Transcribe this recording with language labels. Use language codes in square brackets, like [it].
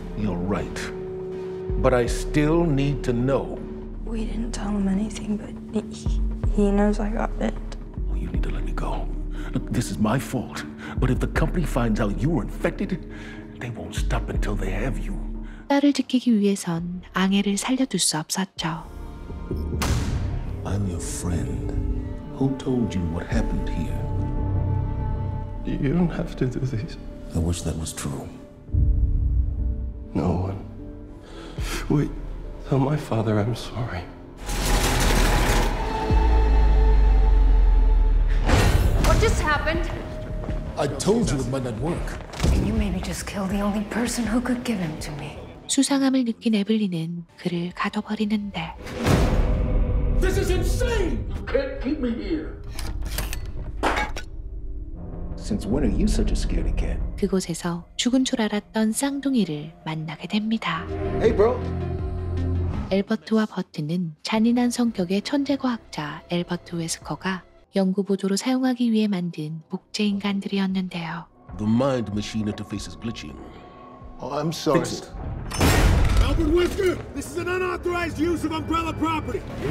[en] You're right. But I still need to know. We didn't tell him anything, but he knows I got bit. Well, you need to let me go. Look, this is my fault. But if the company finds out you were infected, they won't stop until they have you. [ko] 딸을 지키기 위해선 앙헬을 살려둘 수 없었죠. [en] I'm your friend. Who told you what happened here? You don't have to do this. I wish that was true. No one. Wait, tell my father I'm sorry. What just happened? I told you it might not work. Can you maybe just kill the only person who could give him to me? [ko] 수상함을 느낀 에블린은 그를 가둬버리는데. [en] This is insane! You can't keep me here. Since when are you such a scaredy cat? [ko] 그곳에서 죽은 줄 알았던 쌍둥이를 만나게 됩니다. [en] Hey, bro. [ko] 엘버트와 버트는 잔인한 성격의 천재 과학자 엘버트 웨스커가 연구 보조로 사용하기 위해 만든 복제 인간들이었는데요. [en] The mind machine interface is glitching. Oh, I'm sorry. Fix it. Albert Wesker, this is an unauthorized use of Umbrella property.